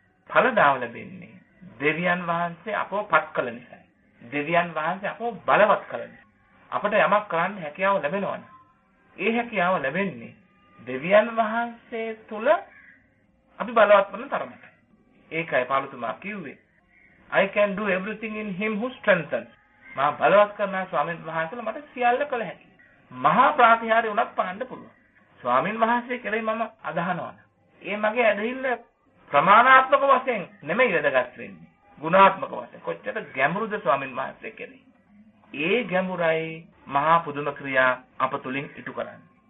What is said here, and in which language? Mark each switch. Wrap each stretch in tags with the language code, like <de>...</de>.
<si>ඵලදාව ලැබෙන්නේ දෙවියන් වහන්සේ අපව පත් කළ නිසා. දෙවියන් වහන්සේ අපව බලවත් කළා. අපට යමක් කරන්න හැකියාව ලැබෙනවනේ. ඒ හැකියාව ලැබෙන්නේ දෙවියන් වහන්සේ තුල අපි බලවත් වන තරමට. ඒකයි පාළුතුමා කිව්වේ.</si> <en>I can do everything in him who strengthens.</en> <si>මා බලවත් කරන ස්වාමීන් වහන්සේලා මට සියල්ල කළ හැකි. මහා ප්‍රාතිහාර්ය උනත් පහන්න පුළුවන්. ස්වාමීන් වහන්සේ කෙරෙහි මම අදහනවනේ. ඒ මගේ ඇදහිල්ල ප්‍රමාණාත්මක වශයෙන් නෙමෙයි වැදගත් වෙන්නේ. ගුණාත්මක වශයෙන් කොච්චර ගැඹුරුද ස්වාමීන් වහන්සේ කෙරෙහි. ඒ ගැඹුරයි මහා පුදුම ක්‍රියා අපතුලින් ඉටු කරන්නේ.</si>